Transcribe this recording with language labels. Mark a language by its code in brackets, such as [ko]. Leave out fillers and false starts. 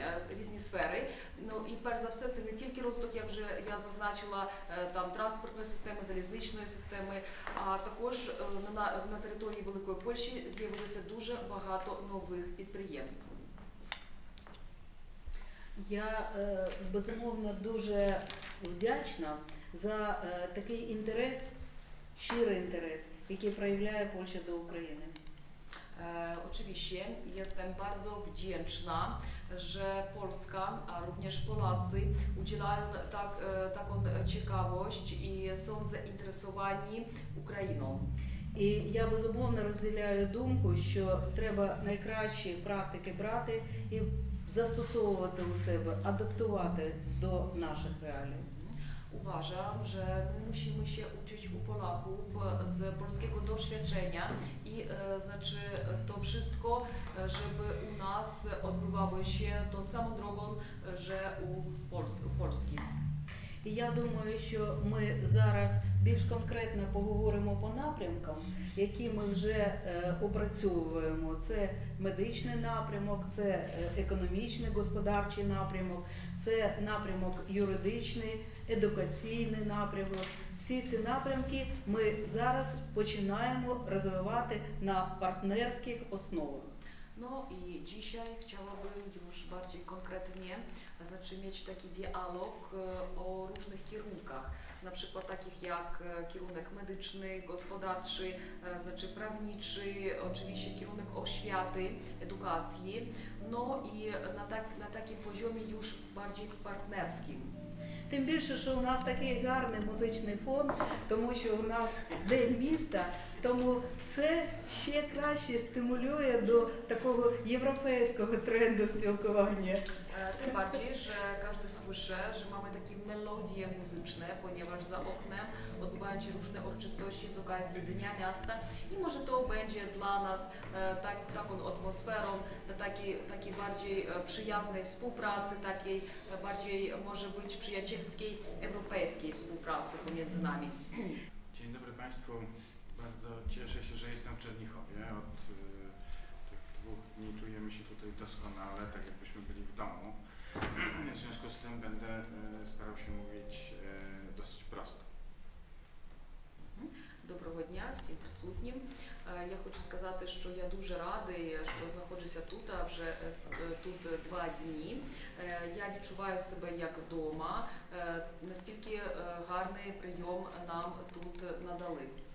[uk] різні сфери Ну і перш за все, це не тільки розвиток, як вже я зазначила, там транспортної системи, залізничної системи, а також на території Великої Польщі з'явилося дуже багато нових підприємств. Я безумовно дуже вдячна за такий інтерес, щирий інтерес, який проявляє Польща до України. [pl] Oczywiście jestem bardzo wdzięczna, że Polska, a również Polacy udzielają taką ciekawość i są zainteresowani Ukrainą. [uk] І я безумовно розділяю думку, що треба найкращі практики брати і застосовувати у себе, адаптувати до наших реалій. [pl] Uważam, że my musimy się uczyć u Polaków z polskiego doświadczenia i znaczy to wszystko, żeby u nas odbywało się tą samą drogą, że u Polski. [uk] І я думаю, що ми зараз більш конкретно поговоримо по напрямкам, які ми вже опрацьовуємо. Це медичний напрямок, це економічний, господарчий напрямок, це напрямок юридичний, едукаційний напрямок. Всі ці напрямки ми зараз починаємо розвивати на партнерських основах. [pl] No i dzisiaj chciałabym już bardziej konkretnie, znaczy mieć taki dialog o różnych kierunkach, na przykład takich jak kierunek medyczny, gospodarczy, znaczy prawniczy, oczywiście kierunek oświaty, edukacji, no i na takim poziomie już bardziej partnerskim. [uk] Тим більше, що у нас такий гарний музичний фон, тому що у нас День міста, тому це ще краще стимулює до такого європейського тренду спілкування. Тим паче, що кожен слухає, що маємо такі мелодії музичні, понівач за окном відбуваються різні урочистості з оказії Дня міста, і може то буде для нас таку атмосферу, такі більш приязної співпраці, такий більш може бути [pl] przyjacielskiej, europejskiej współpracy pomiędzy nami. Dzień dobry Państwu. Bardzo cieszę się, że jestem w Czernichowie. Od tych dwóch dni czujemy się tutaj doskonale, tak jakbyśmy byli w domu. W związku z tym będę starał się mówić dosyć prosto. [uk] Доброго дня всім присутнім. Я хочу сказати, що я дуже радий, що знаходжуся тут, а вже тут два дні. Я відчуваю себе як вдома. Настільки гарний прийом нам тут надали.